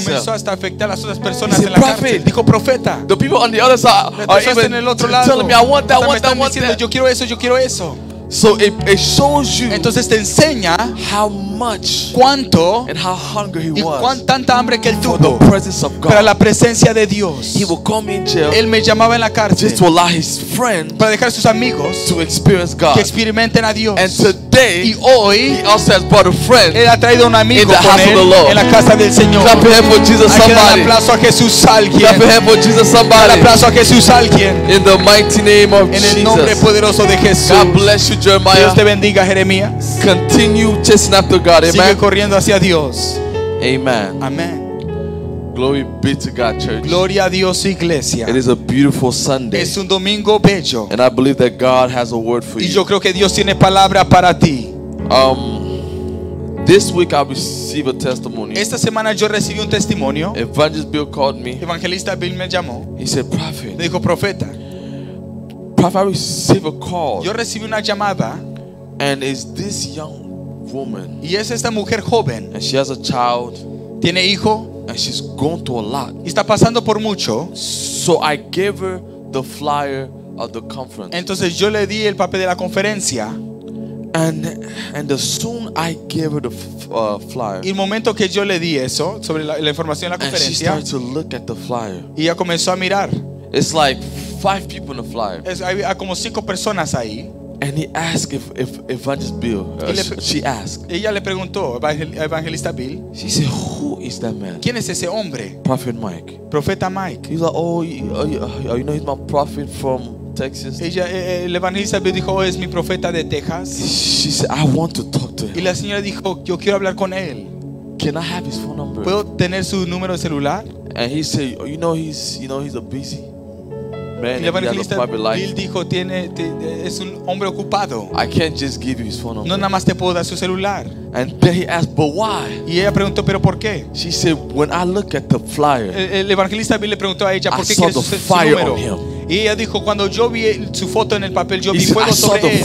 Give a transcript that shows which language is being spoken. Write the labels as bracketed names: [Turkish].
[Spanish] cell. Comenzó hasta a afectar a las otras personas en la cárcel. Dijo, "Profeta." [English] The people on the other side are even [Spanish] en el otro lado. [English] Telling me, "I want that, I want that. [Spanish] Yo quiero eso, yo quiero eso." [English] So it shows you. [Spanish] Entonces te enseña [English] how much, [Spanish] cuánto, [English] and how hungry he [Spanish] y [English] was. [Spanish] Y cuán tanta hambre que él tuvo. [English] For the presence of God. [Spanish] Para la presencia de Dios. [English] He would come in jail. [Spanish] Él me llamaba en la cárcel. [English] Just to allow his friends. [Spanish] Para dejar a sus amigos. [English] To experience God. [Spanish] Que experimenten a Dios. [English] And to today, [Spanish] y hoy, [English] he also has brought a friend, [Spanish] él ha traído un amigo [English] in the [Spanish] con [English] house [Spanish] él, [English] of the Lord. [Spanish] En la casa del Señor. [English] Clap your hand for Jesus, somebody. [Spanish] A Jesús, alguien. [English] Clap your hand for Jesus, somebody. [Spanish] A Jesús, alguien. [English] In the mighty name of [Spanish] en el [English] Jesus. [Spanish] Nombre poderoso de Jesús. [English] God bless you, Jeremiah. [Spanish] Dios te bendiga, Jeremías. [English] Continue chasing after God. Amen. [Spanish] Sigue corriendo hacia Dios. [English] Amen. [Spanish] Amen. [English] Glory be to God, church. [Spanish] Gloria a Dios, iglesia. [English] It is a beautiful Sunday. [Spanish] Es un domingo bello. [English] And I believe that God has a word for [Spanish] y [English] you. [Spanish] Yo creo que Dios tiene palabra para ti. [English] This week I received a testimony. [Spanish] Esta semana yo recibí un testimonio. [English] Evangelist Bill called me. [Spanish] Evangelista Bill me llamó. [English] He said, Prophet. [Spanish] Me dijo, profeta. [English] Prophet, I received a call. [Spanish] Yo recibí una llamada. [English] And is this young woman? [Spanish] Y es esta mujer joven. [English] And she has a child. [Spanish] Tiene hijo. [English] And she's going through a lot. [Spanish] Está pasando por mucho. [English] So I gave her the flyer of the conference. [Spanish] Entonces yo le di el papel de la conferencia. [English] And as soon I gave her the flyer. [Spanish] Y el momento que yo le di eso sobre la información de la conferencia. [English] And she started to look at the flyer. [Spanish] Y ella comenzó a mirar. [English] It's like five people in the flyer. [Spanish] Es había como cinco personas ahí. [English] And he asked if Evangelist Bill. She asked. [Spanish] Ella le preguntó a Evangelista Bill. [English] She said, "Who is that man?" [Spanish] ¿Quién es ese hombre? [English] Prophet Mike. [Spanish] Profeta Mike. [English] He's like, "Oh, you know, he's my prophet from Texas." [Spanish] Ella, el Evangelista Bill dijo, "Es mi profeta de Texas." [English] She said, "I want to talk to him." [Spanish] Y la señora dijo, "Yo quiero hablar con él." [English] Can I have his phone number? [Spanish] ¿Puedo tener su número de celular? [English] And he said, "Oh, you know, he's a busy." Man, [Spanish] el evangelista Bill dijo es un hombre ocupado. [English] I can't just give you his phone number. [Spanish] No nada más te puedo dar su celular. [English] And then he asked, but why? [Spanish] Y ella preguntó, pero ¿por qué? [English] She said, when I look at the flyer, [Spanish] el evangelista Bill le preguntó a ella, ¿por qué quieres su número? Y ella dijo, cuando yo vi su foto en el papel, yo vi fuego sobre él.